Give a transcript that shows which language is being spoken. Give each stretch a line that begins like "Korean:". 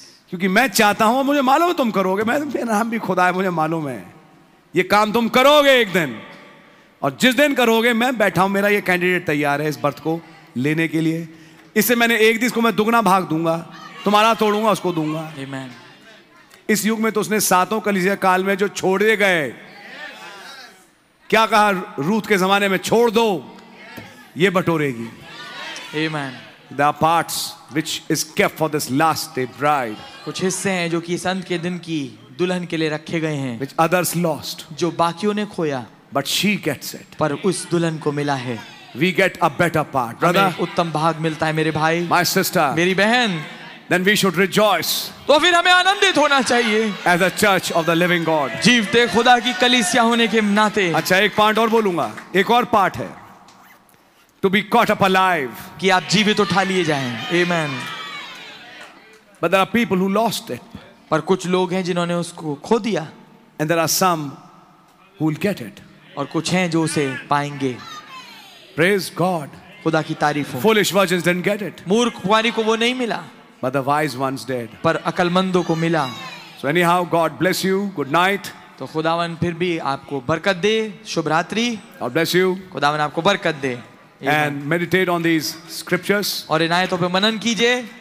Hindi: क्योंकि मैं चाहता हूं मुझे मालूम है तुम करोगे, मैं नाम भी खुदा है मुझे मालूम है ये काम तुम करोगे एक दिन, और जिस दिन करोगे मैं बैठा हूं, मेरा ये कैंडिडेट तैयार है इस बर्थ को लेने के लिए. इससे मैंने एक दिन इसको मैं दुगना भाग दूंगा, तुम्हारा तोड़ूंगा उसको दूंगा.
English: Amen.
Hindi: इस युग में तो उसने सातों कलीसिया काल में जो छोड़े गए, क्या कहा रूथ के जमाने में, छोड़ दो ये बटोरेगी.
English: Amen. The parts which is kept for this last day bride.
Hindi: कुछ हिस्से हैं जो कि इस अंत के दिन की दुल्हन के लिए रखे गए हैं.
English: Which others lost.
Hindi: जो बाकियों ने खोया.
English: But she gets it.
Hindi: पर उस दुल्हन को मिला है.
English: We get a better part, brother.
Hindi: उत्तम भाग मिलता है मेरे भाई.
English: My sister.
Hindi: मेरी बहन.
English: Then we should rejoice.
Hindi: तो फिर हमें आनंदित होना चाहिए.
English: As a church of the living God.
Hindi: जीवते खुदा की कलीसिया होने के नाते. अच्छा एक पार्ट और बोलूंगा. एक और पार्ट है.
English: To be caught up alive.
Hindi: कि आप जीवित उठा लिए जाएं. Amen.
English: But there are people who lost it.
Hindi: पर कुछ लोग हैं जिन्होंने उसको खो दिया.
English: And there are some who will get it.
Hindi: और कुछ हैं जो उसे पाएंगे.
English: Praise God.
Hindi: खुदा की तारीफ हो.
English: Foolish virgins didn't get it.
Hindi: मूर्ख कुंवारी को वो नहीं मिला.
English: But the wise ones did.
Hindi: पर अकलमंदों को मिला.
English: So anyhow, God bless you. Good night.
Hindi: तो खुदावन फिर भी आपको बरकत दे. शुभ रात्रि.
English: God bless you.
Hindi: खुदावन आपको बरकत दे.
English: And meditate on these scriptures.
Hindi: और इन आयतों पे मनन कीजिए.